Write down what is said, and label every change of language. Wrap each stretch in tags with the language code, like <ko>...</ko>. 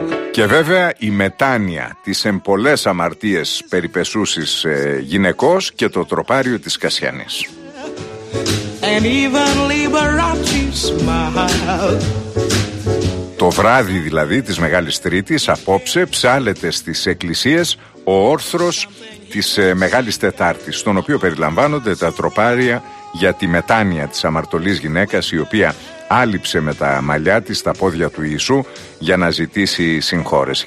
<el>Και βέβαια η μετάνοια, τις εμπολές αμαρτίες περιπεσούσης γυναικός και το τροπάριο της Κασιανής.</el> <en>And even Liberace smiled.</en> <el>Το βράδυ δηλαδή της Μεγάλης Τρίτης, απόψε ψάλεται στις εκκλησίες ο όρθρος της Μεγάλης Τετάρτης, στον οποίο περιλαμβάνονται τα τροπάρια για τη μετάνοια της αμαρτωλής γυναίκας, η οποία άλυψε με τα μαλλιά της τα πόδια του Ιησού για να ζητήσει συγχώρεση.</el>